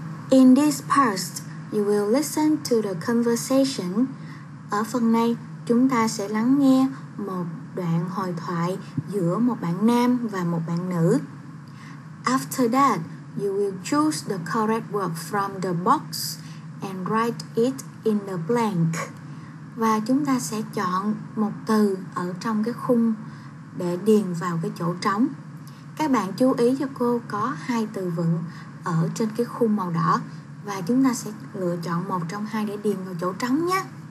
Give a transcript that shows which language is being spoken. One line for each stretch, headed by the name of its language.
English: In this part, you will listen to the conversation.
Vietnamese: Ở phần này, chúng ta sẽ lắng nghe một đoạn hội thoại giữa một bạn nam và một bạn nữ.
English: After that, you will choose the correct word from the box and write it in the blank.
Vietnamese: Và chúng ta sẽ chọn một từ ở trong cái khung để điền vào cái chỗ trống. Các bạn chú ý cho cô có hai từ vựng ở trên cái khung màu đỏ và chúng ta sẽ lựa chọn một trong hai để điền vào chỗ trống nhé.